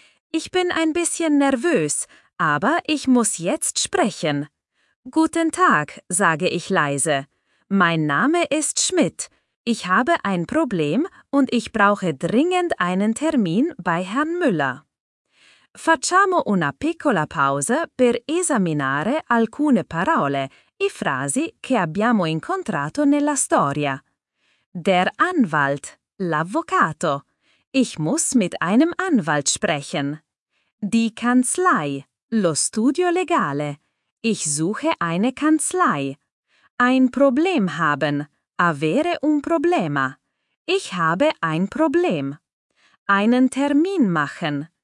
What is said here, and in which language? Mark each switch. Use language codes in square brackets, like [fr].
[de] Ich bin ein bisschen nervös, aber ich muss jetzt sprechen. Guten Tag, sage ich leise. Mein Name ist Schmidt. Ich habe ein Problem und ich brauche dringend einen Termin bei Herrn Müller. [it] Facciamo una piccola pausa per esaminare alcune parole e frasi che abbiamo incontrato nella storia. [de] Der Anwalt, [it] l'avvocato. [de] Ich muss mit einem Anwalt sprechen. Die Kanzlei, [it] lo studio legale. [de] Ich suche eine Kanzlei. Ein Problem haben. [it] Avere un problema. [de] Ich habe ein Problem. Einen Termin machen.